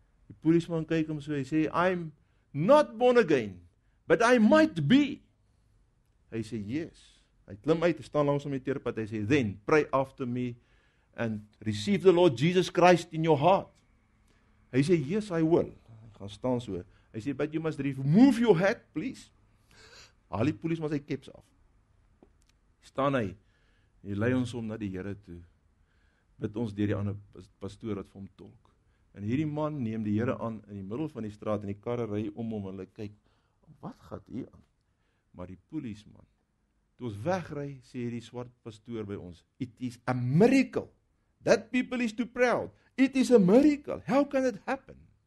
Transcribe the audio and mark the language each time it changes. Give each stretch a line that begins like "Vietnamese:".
Afrikaans: Die polisman kyk hom so, hy sê,
English: I'm not born again, but I might be.
Afrikaans: Hy sê, yes. Hy klim uit, staan langs om die teerpad, hy sê,
English: then, pray after me, and receive the Lord Jesus Christ in your heart.
Afrikaans: Hy sê,
English: yes, I will.
Afrikaans: Hy gaan staan so. Hy sê,
English: but you must remove your hat, please.
Afrikaans: Haal die polisman sy caps af. Staan hy, en hy lei ons om na die Here toe. Bid ons deur die ander pastoor wat vir hom tolk. En hierdie man neem die Here aan in die middel van die straat, en die karre ry om hom, en hulle kyk, wat gaat hier aan? Maar die polisman, toe ons wegry, sê die swart pastoor by ons,
English: it is a miracle, that people is too proud, it is a miracle, how can it happen?